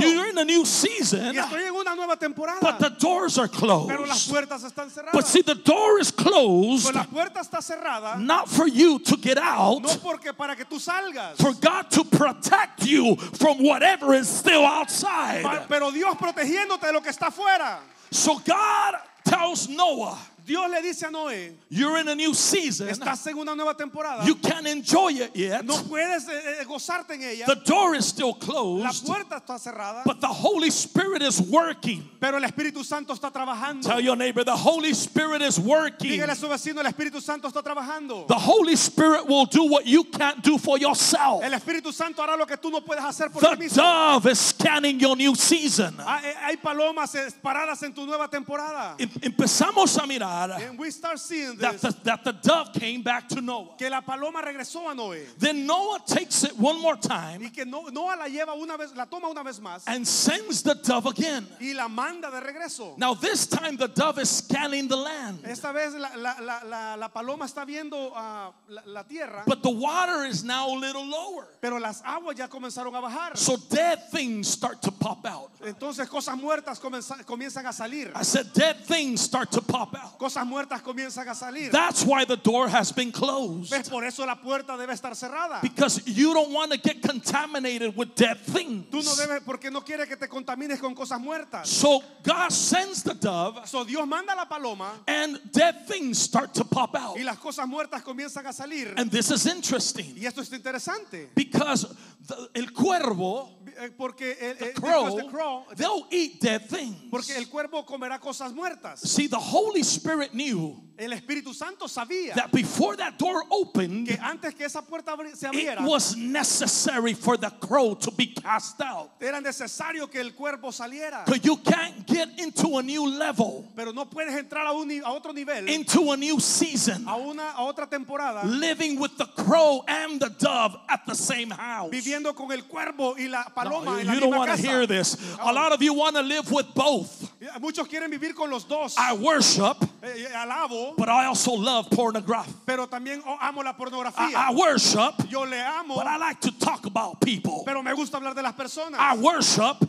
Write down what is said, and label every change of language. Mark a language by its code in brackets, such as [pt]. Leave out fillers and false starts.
[en] You're in a new season. [es] Y estoy en una nueva temporada. [en] But the doors are closed. [es] Pero las puertas están cerradas. [en] But see, the door is closed. [es] Pues la puerta está cerrada. [en] Not for you to get out. [es] No porque para que tú salgas. [en] For God to protect you from whatever is still outside. [es] Pero Dios protegiéndote de lo que está fuera. [en] So God tells Noah. [es] Dios le dice a Noé, [en] you're in a new season. [es] Estás en una nueva temporada. [en] You can't enjoy it yet. [es] No puedes gozarte en ella. [en] The door is still closed. [es] La puerta está cerrada. [en] But the Holy Spirit is working. [es] Pero el Espíritu Santo está trabajando. [en] Tell your neighbor, the Holy Spirit is working. [es] Dígale a su vecino, el Espíritu Santo está trabajando. [en] The Holy Spirit will do what you can't do for yourself. [es] El Espíritu Santo hará lo que tú no puedes hacer por ti mismo. [en] The dove is scanning your new season. [es] Hay palomas paradas en tu nueva temporada. Empezamos a mirar. [en] And we start seeing this, that the dove came back to Noah. [es] Que la paloma regresó a Noé. [en] Then Noah takes it one more time. [es] Y que Noah la lleva una vez, la toma una vez más. [en] And sends the dove again. [es] Y la manda de regreso. [en] Now this time the dove is scanning the land. [es] Esta vez la paloma está viendo la tierra. [en] But the water is now a little lower. [es] Pero las aguas ya comenzaron a bajar. [en] So dead things start to pop out. [es] Entonces cosas muertas comienzan a salir. [en] I said dead things start to pop out. [es] Cosas muertas comienzan a salir. [en] That's why the door has been closed. [es] Es por eso la puerta debe estar cerrada. [en] Because you don't want to get contaminated with dead things. [es] Tú no debes porque no quieres que te contamines con cosas muertas. [en] So God sends the dove. [es] So Dios manda la paloma. [en] And dead things start to pop out. [es] Y las cosas muertas comienzan a salir. [en] And this is interesting. [es] Y esto es interesante. [en] Because [es] el cuervo, porque [en] the crow, they'll eat dead things. [es] Porque el cuervo comerá cosas muertas. [en] See, the Holy Spirit knew. [es] El Espíritu Santo sabía [en] that before that door opened, [es] que antes que esa puerta se abriera, [en] it was necessary for the crow to be cast out. [es] Era necesario que el cuervo saliera. [en] Because you can't get into a new level, [es] pero no puedes entrar a otro nivel, [en] into a new season, [es] a otra temporada, [en] living with the crow and the dove at the same house. [es] Viviendo con el cuervo y la paloma en la misma casa. [en] You don't want to hear this. A lot of you want to live with both. [es] Muchos quieren vivir con los dos. [en] I worship. [es] Alabo. [en] But I also love pornography. [es] Pero también amo la pornografía. [en] I worship. [es] Yo le amo. [en] But I like to talk about people. [es] Pero me gusta hablar de las personas. [en] I worship.